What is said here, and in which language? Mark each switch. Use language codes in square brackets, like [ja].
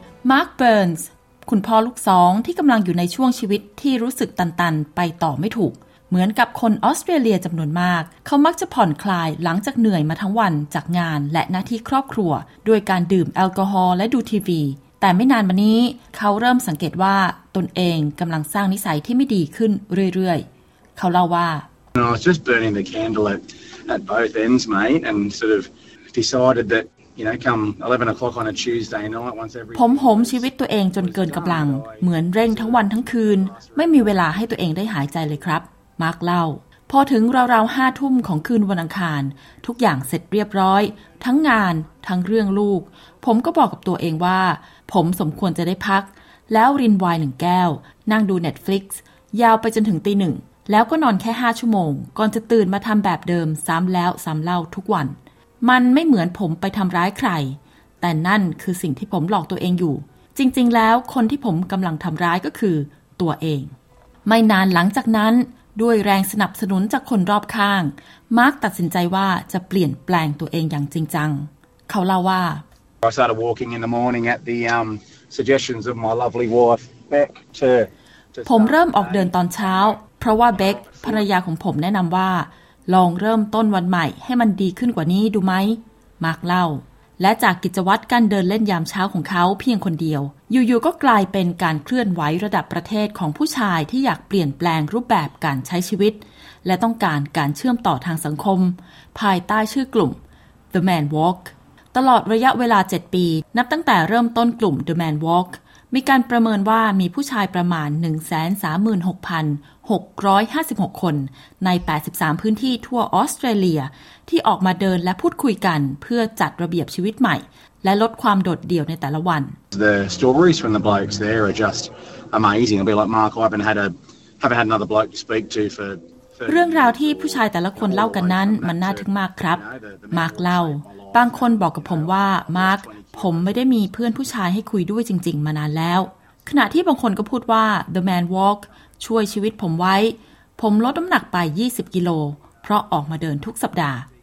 [th] มาร์คเบิร์นส์คุณพ่อลูกสองที่กำลังอยู่ในช่วงชีวิตที่รู้สึกตันๆไปต่อไม่ถูกเหมือนกับคนออสเตรเลียจำนวนมากเขามักจะผ่อนคลายหลังจากเหนื่อยมาทั้งวันจากงานและหน้าที่ครอบครัวด้วยการดื่มแอลกอฮอล์และดูทีวีแต่ไม่นานมานี้เขาเริ่มสังเกตว่าตนเองกำลังสร้างนิสัยที่ไม่ดีขึ้นเรื่อยๆเขาเล่าว่า [en] I was just burning the candle at both ends, mate, and sort of decided that you know, come 11 o'clock on a Tuesday night, once every [th] ผมโหมชีวิตตัวเองจนเกินกำลังเหมือนเร่งทั้งวันทั้งคืนไม่มีเวลาให้ตัวเองได้หายใจเลยครับมาร์คเล่าพอถึงราวๆห้าทุ่มของคืนวันอังคารทุกอย่างเสร็จเรียบร้อยทั้งงานทั้งเรื่องลูกผมก็บอกกับตัวเองว่าผมสมควรจะได้พักแล้วรินไวน์หนึ่งแก้วนั่งดู Netflix ยาวไปจนถึงตีหนึ่งแล้วก็นอนแค่5ชั่วโมงก่อนจะตื่นมาทำแบบเดิมซ้ำแล้วซ้ำเล่าทุกวันมันไม่เหมือนผมไปทำร้ายใคร แต่นั่นคือสิ่งที่ผมหลอกตัวเองอยู่จริงๆแล้วคนที่ผมกำลังทำร้ายก็คือตัวเองไม่นานหลังจากนั้นด้วยแรงสนับสนุนจากคนรอบข้างมาร์คตัดสินใจว่าจะเปลี่ยนแปลงตัวเองอย่างจริงจังเขาเล่าว่า [en] I started walking in the morning at the suggestions of my lovely wife Beck to [th] ผมเริ่มออกเดินตอนเช้าเพราะว่าเบคภรรยาของผมแนะนำว่าลองเริ่มต้นวันใหม่ให้มันดีขึ้นกว่านี้ดูไหมมาร์คเล่า และจากกิจวัตรการเดินเล่นยามเช้าของเขาเพียงคนเดียวอยู่ๆก็กลายเป็นการเคลื่อนไหวระดับประเทศของผู้ชายที่อยากเปลี่ยนแปลงรูปแบบการใช้ชีวิตและต้องการการเชื่อมต่อทางสังคมภายใต้ชื่อกลุ่ม The Man Walk ตลอดระยะเวลา7ปีนับตั้งแต่เริ่มต้นกลุ่ม The Man Walk มีการประเมินว่ามีผู้ชายประมาณ 136,656 คนใน83พื้นที่ทั่วออสเตรเลียที่ออกมาเดินและพูดคุยกันเพื่อจัดระเบียบชีวิตใหม่และลดความโดดเดี่ยวในแต่ละวัน [en] The stories from the blokes there are just amazing. It'll be like Mark, I haven't had another bloke to speak to for [th] เรื่องราวที่ผู้ชายแต่ละคนเล่ากันนั้นมันน่าทึ่งมากครับมาร์คเล่าบางคนบอกกับผมว่ามาร์คผมไม่ได้มีเพื่อนผู้ชายให้คุยด้วยจริงๆมานานแล้วขณะที่บางคนก็พูดว่า The Man Walk ช่วยชีวิตผมไว้ผมลดน้ำหนักไป20กิโลเพราะออกมาเดินทุกสัปดาห์